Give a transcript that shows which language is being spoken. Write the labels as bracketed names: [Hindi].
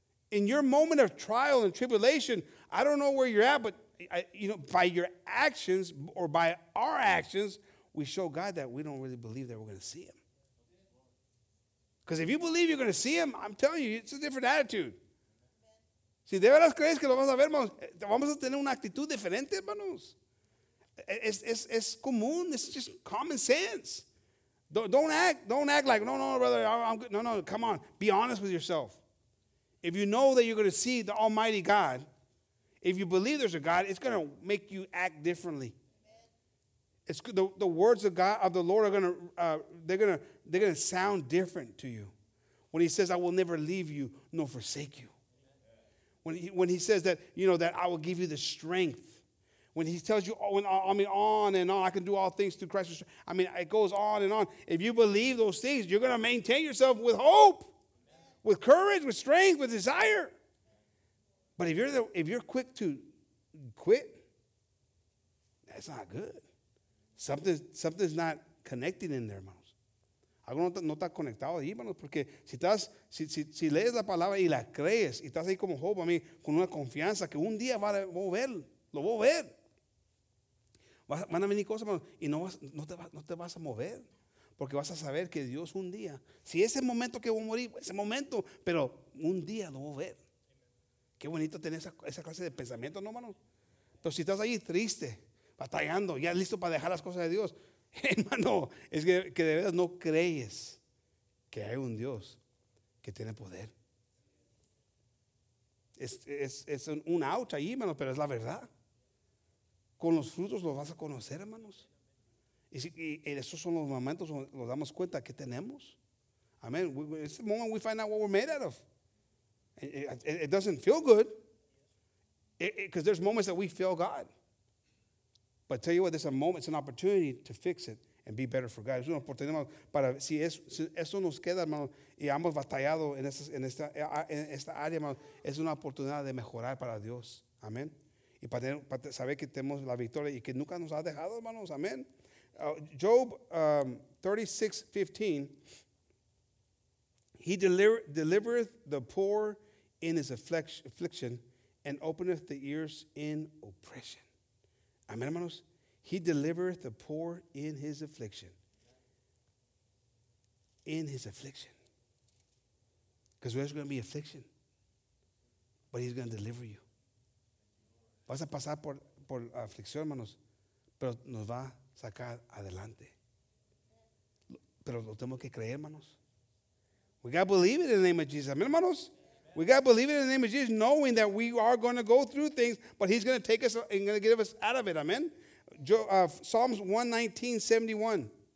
[English] In your moment of trial and tribulation, I don't know where you're at, but by your actions or by our actions, we show God that we don't really believe that we're going to see him. Because if you believe you're going to see him, I'm telling you, it's a different attitude. [Spanish] Si de veras crees que lo vas a ver, hermanos, vamos a tener una actitud diferente, hermanos. Es común, [English] it's just common sense. Don't act like, no, brother, I'm good. No, come on, be honest with yourself. If you know that you're going to see the Almighty God, if you believe there's a God, it's going to make you act differently. It's the words of God, of the Lord, are going to they're going to sound different to you. When he says, I will never leave you nor forsake you. When he says that, you know, that I will give you the strength. When he tells you, on and on, I can do all things through Christ. I mean, it goes on and on. If you believe those things, you're going to maintain yourself with hope, with courage, with strength, with desire. But if you're quick to quit, that's not good. Something's not connecting in there, hermanos. [Spanish] Algo no está conectado ahí, hermanos, porque si lees la palabra y la crees, y estás ahí como Job, a mí, con una confianza que un día lo voy a ver. Van a venir cosas, hermanos, y no te vas a mover, porque vas a saber que Dios un día, si ese momento que voy a morir, ese momento, pero un día lo voy a ver. Qué bonito tener esa clase de pensamiento, ¿no, hermano? Pero si estás ahí triste, batallando, ya listo para dejar las cosas de Dios, hermano, es que de verdad no crees que hay un Dios que tiene poder. Es un ouch ahí, hermano, pero es la verdad. Con los frutos los vas a conocer, hermanos. Y esos son los momentos donde nos damos cuenta que tenemos. Amén. [English] It's the moment we find out what we're made out of. It doesn't feel good. Because there's moments that we fail God. But tell you what, there's a moment, it's an opportunity to fix it and be better for God. [Spanish] Es una oportunidad para, si eso nos queda, hermano, y hemos batallado en esta área, hermano, es una oportunidad de mejorar para Dios. Amén. Y para saber que tenemos la victoria y que nunca nos ha dejado, hermanos. Amén. Job 36:15. [English] He delivereth the poor in his affliction and openeth the ears in oppression. [Spanish] Amén, hermanos. [English] He delivereth the poor in his affliction. In his affliction. Because there's going to be affliction. But he's going to deliver you. [Spanish] Vas a pasar por aflicción, hermanos, pero nos va a sacar adelante. Pero lo tenemos que creer, hermanos. [English] We got to believe it in the name of Jesus. Amen, hermanos. Amen. We got to believe it in the name of Jesus, knowing that we are going to go through things, but he's going to take us and going to get us out of it. Amen. Psalms 119:71.